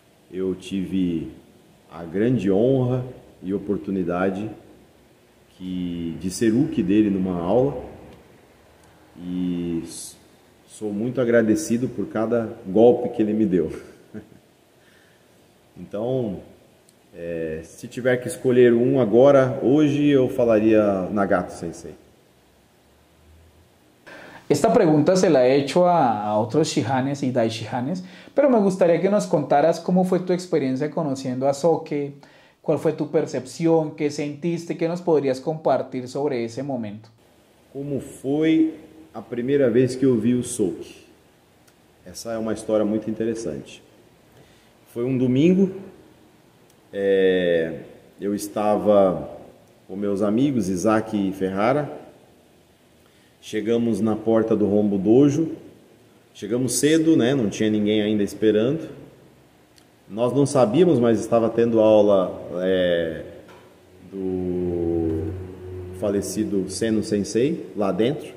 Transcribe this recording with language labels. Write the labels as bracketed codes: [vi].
[pt] Eu tive a grande honra e oportunidade de ser uki dele numa aula, e sou muito agradecido por cada golpe que ele me deu. Então, se tiver que escolher um agora, hoje, eu falaria Nagato Sensei. [es] Esta pregunta se la he hecho a otros shihanes y daishihanes, pero me gustaría que nos contaras cómo fue tu experiencia conociendo a Soke, cuál fue tu percepción, qué sentiste, qué nos podrías compartir sobre ese momento. ¿Cómo fue la primera vez que yo vi o Soke? Esa es una historia muy interesante. Fue un domingo, yo estaba con mis amigos Isaac y Ferrara. [pt] Chegamos na porta do Rombo Dojo, chegamos cedo, né? Não tinha ninguém ainda esperando. Nós não sabíamos, mas estava tendo aula do falecido Senno Sensei lá dentro.